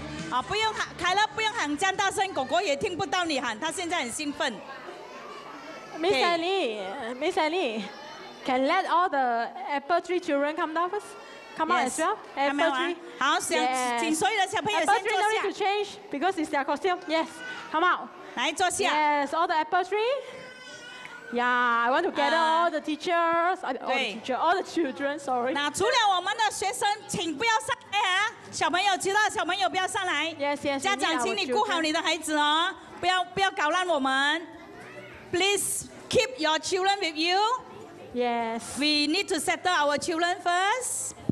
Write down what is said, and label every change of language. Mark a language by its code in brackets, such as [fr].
[zh] 啊，不用喊，凯乐不用喊这样大声，狗狗也听不到你喊，他现在很兴奋。 [en] Miss Annie, Miss Annie, can let all the apple tree children come down first? Come on, yes. as well. Apple tree. [zh] 好，想 yes. 请所有的小朋友先坐下。 [en] Apple tree, no need to change because it's their costume. Yes. Come out. [zh] 来坐下。 [en] Yes, all the apple tree. Yeah, I want to gather all the teachers. All the teacher, all the children. Sorry. [zh] 那除了我们的学生，请不要上来啊！小朋友，其他小朋友不要上来。 [en] Yes, yes. [zh] 家长，请你顾好你的孩子哦，不要搞乱我们。 [en] Please keep your children with you. Yes. We need to settle our children first.